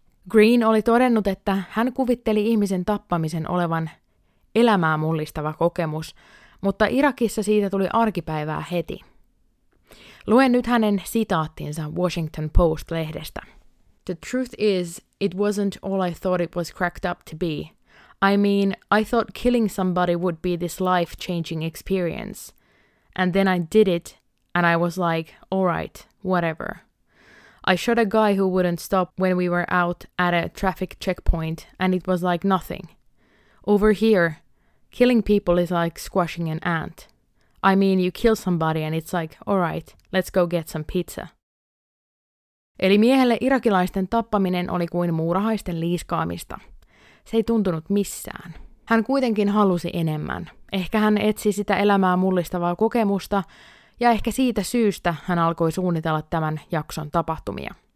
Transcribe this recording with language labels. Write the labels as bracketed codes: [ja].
[fi] Green oli todennut, että hän kuvitteli ihmisen tappamisen olevan elämää mullistava kokemus, mutta Irakissa siitä tuli arkipäivää heti. Luen nyt hänen sitaattinsa Washington Post-lehdestä. [en] The truth is, it wasn't all I thought it was cracked up to be. I mean, I thought killing somebody would be this life-changing experience. And then I did it, and I was like, all right, whatever. I shot a guy who wouldn't stop when we were out at a traffic checkpoint, and it was like nothing. Over here, killing people is like squashing an ant. I mean, you kill somebody and it's like, alright, let's go get some pizza. [fi] Eli miehelle irakilaisten tappaminen oli kuin muurahaisten liiskaamista. Se ei tuntunut missään. Hän kuitenkin halusi enemmän. Ehkä hän etsi sitä elämää mullistavaa kokemusta, ja ehkä siitä syystä hän alkoi suunnitella tämän jakson tapahtumia.